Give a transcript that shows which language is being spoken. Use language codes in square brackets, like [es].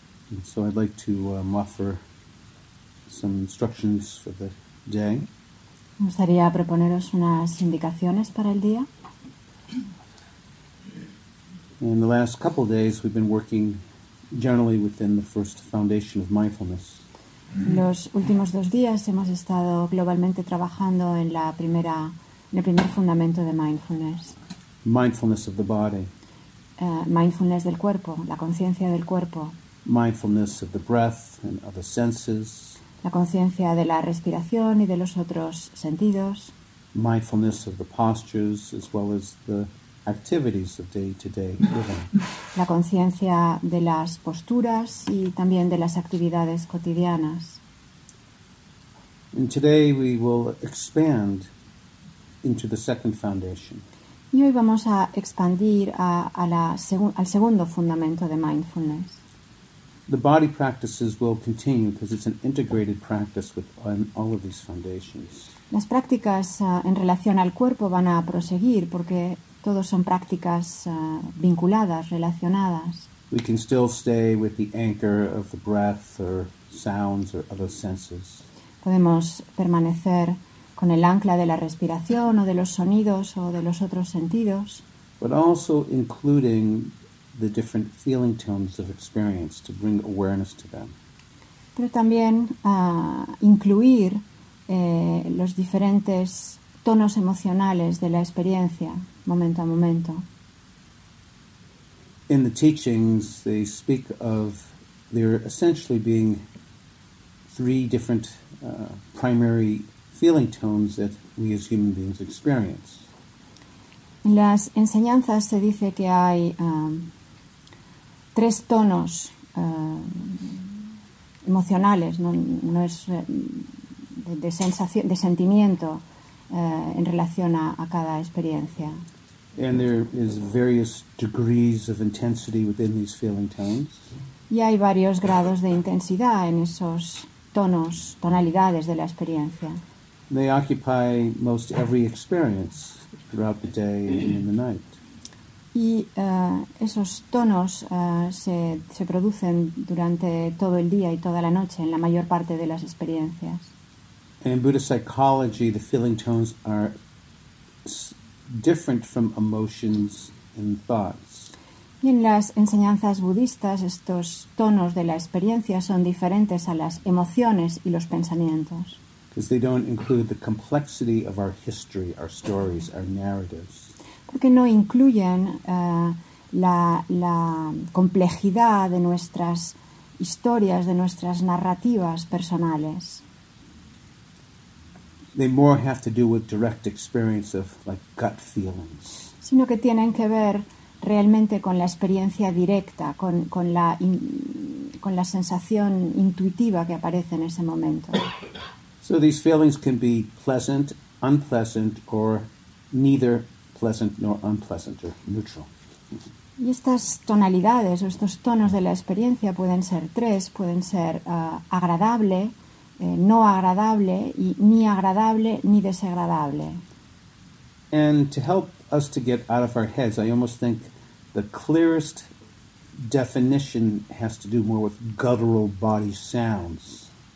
[en] And so I'd like to offer some instructions for the day. [es] Me gustaría proponeros unas indicaciones para el día. [en] In the last couple of days, we've been working generally within the first foundation of mindfulness. [es] Los últimos dos días hemos estado globalmente trabajando en la primera, en el primer fundamento de mindfulness. [en] Mindfulness of the body. [es] Mindfulness del cuerpo, la conciencia del cuerpo. [en] Mindfulness of the breath and other senses. [es] La conciencia de la respiración y de los otros sentidos. [en] Mindfulness of the postures as well as the activities of day-to-day living. [es] La conciencia de las posturas y también de las actividades cotidianas. [en] And today we will expand into the second foundation. [es] Y hoy vamos a expandir al segundo fundamento de mindfulness. [en] The body practices will continue because it's an integrated practice with all of these foundations. [es] Las prácticas en relación al cuerpo van a proseguir porque todos son prácticas vinculadas, relacionadas. [en] We can still stay with the anchor of the breath or sounds or other senses. [es] Podemos permanecer con el ancla de la respiración o de los sonidos o de los otros sentidos. [en] But also including the different feeling tones of experience to bring awareness to them. [es] Pero también incluir los diferentes tonos emocionales de la experiencia, momento a momento. [en] In the teachings, they speak of there essentially being three different primary feeling tones that we as human beings experience. [es] En las enseñanzas se dice que hay tres tonos emocionales, no es de sensación, de sentimiento en relación a cada experiencia. [en] And there is various degrees of intensity within these feeling tones. [es] Y hay varios grados de intensidad en esos tonos, tonalidades de la experiencia. [en] They occupy most every experience throughout the day and in the night. [es] Y esos tonos se producen durante todo el día y toda la noche en la mayor parte de las experiencias. [en] In Buddhist psychology, the feeling tones are different from emotions and thoughts. [es] Y en las enseñanzas budistas, estos tonos de la experiencia son diferentes a las emociones y los pensamientos. [en] Because they don't include the complexity of our history, our stories, our narratives. [es] Porque no incluyen la complejidad de nuestras historias, de nuestras narrativas personales. [en] They more have to do with direct experience of like gut feelings. [es] Sino que tienen que ver realmente con la experiencia directa, con la sensación intuitiva que aparece en ese momento. [en] So these feelings can be pleasant, unpleasant, or neither pleasant nor unpleasant, or neutral. [es] Y estas tonalidades o estos tonos de la experiencia pueden ser tres, pueden ser agradable, no agradable, y ni agradable ni desagradable. [en] And to help us to get out of our heads, I almost think the clearest definition has to do more with guttural body sounds.